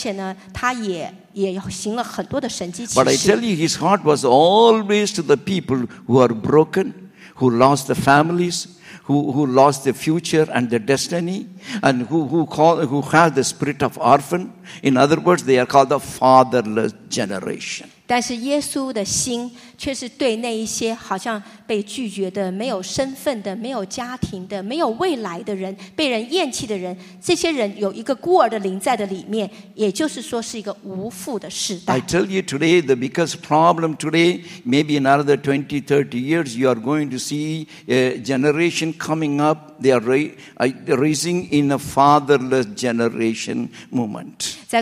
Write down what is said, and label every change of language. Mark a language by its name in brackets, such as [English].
[Chinese] 那当时耶稣呢，他遇到了很多那个达官贵族显耀的人士，而且呢，他也行了很多的神迹奇事。 [English] But I tell you, his heart was always to the people who are broken, who lost their families, who lost their future and their destiny, and who have the spirit of orphan. In other words, they are called the fatherless generation. [Chinese] 但是耶稣的心却是对那一些好像被拒绝的、没有身份的、没有家庭的、没有未来的人、被人厌弃的人，这些人有一个孤儿的灵在的里面，也就是说是一个无父的时代。 [English] I tell you today, the biggest problem today, maybe another 20, 30 years, you are going to see a generation coming up, they are raising in a fatherless generation movement.